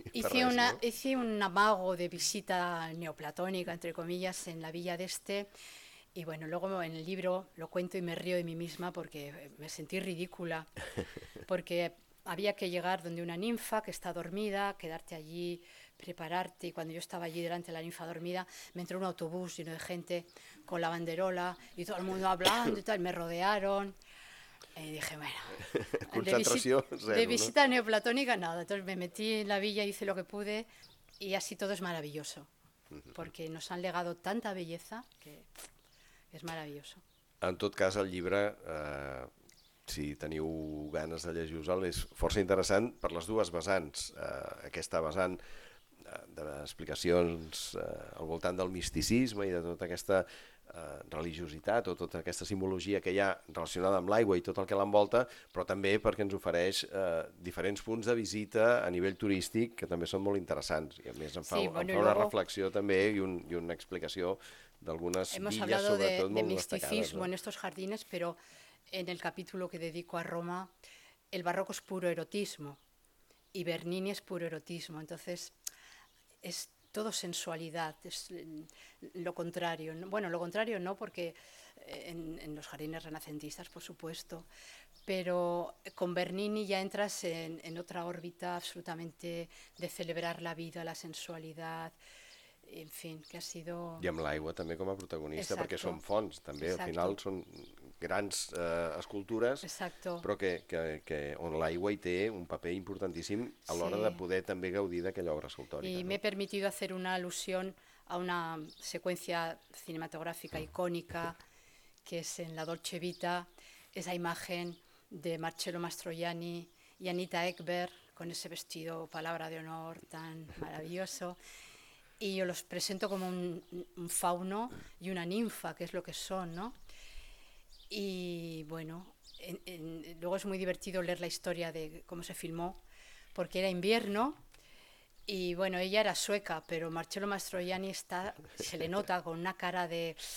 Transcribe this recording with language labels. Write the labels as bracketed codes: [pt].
[es] Hice un amago de visita neoplatónica, entre comillas, en la villa d'Este, y bueno, luego en el libro lo cuento y me río de mí misma porque me sentí ridícula, porque había que llegar donde una ninfa que está dormida, quedarte allí, prepararte, y cuando yo estaba allí delante de la ninfa dormida, me entró un autobús lleno de gente con la banderola y todo el mundo hablando y tal, me rodearon. Y dije, bueno, concentración de visita cero, ¿no? Neoplatónica, nada. Entonces me metí en la villa, hice lo que pude y así todo es maravilloso. Porque nos han legado tanta belleza que es maravilloso. [ca] En tot cas, el llibre, si teniu ganes de llegir-lo, és força interessant per les dues vessants. Aquesta vessant d'explicacions al voltant del misticisme i de tota aquesta... religiositat o tota aquesta simbologia que hi ha relacionada amb l'aigua i tot el que l'envolta, però també perquè ens ofereix diferents punts de visita a nivell turístic que també són molt interessants i a més em fa, [es] sí, bueno, [ca] em fa una reflexió també i una explicació d'algunes villes sobretot [es] Hemos hablado de misticismo, ¿no?, en estos jardines, pero en el capítulo que dedico a Roma, el barroco es puro erotismo y Bernini es puro erotismo, entonces es todo sensualidad, es lo contrario. Bueno, lo contrario no, porque en los jardines renacentistas, por supuesto, pero con Bernini ya entras en otra órbita absolutamente de celebrar la vida, la sensualidad, en fin, que ha sido... [ca] I amb l'aigua també com a protagonista, [es] exacto, [ca] perquè són fonts, també, [es] exacto, [ca] al final són grans escultures, [es] exacto, [ca] però que on l'aigua hi té un paper importantíssim a l'hora, sí, de poder també gaudir d'aquella obra escultòrica. I no? M'he permitit fer una al·lusió a una seqüència cinematogràfica icònica, que és en La Dolce Vita, esa imatge de Marcello Mastroianni i Anita Ekberg, [es] con ese vestido, palabra de honor, tan maravilloso... Y yo los presento como un fauno y una ninfa, que es lo que son, ¿no? Y bueno, luego es muy divertido leer la historia de cómo se filmó, porque era invierno y bueno, ella era sueca, pero Marcello Mastroianni se le nota con una cara de...